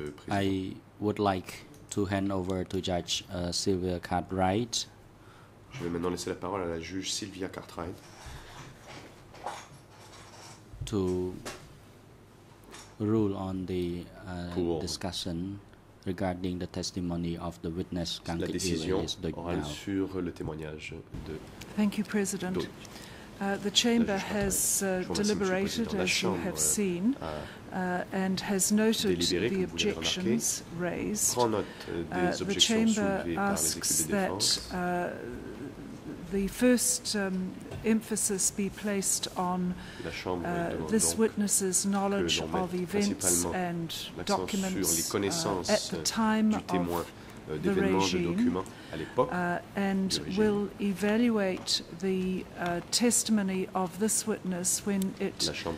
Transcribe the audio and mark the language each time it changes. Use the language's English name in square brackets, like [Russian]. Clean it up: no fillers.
[English] I would like to hand over to Judge Sylvia Cartwright. [French] Je vais maintenant laisser la parole à la juge Sylvia Cartwright. [English] To rule on the discussion regarding the testimony of the witness Kang [French] Kit-il. La décision orale sur le témoignage de. [English] Thank you, President. The chamber has deliberated, as you have seen, and has noted the objections raised. The chamber asks that the first emphasis be placed on this witness's knowledge of events and documents at the time of the regime, and will evaluate the testimony of this witness when it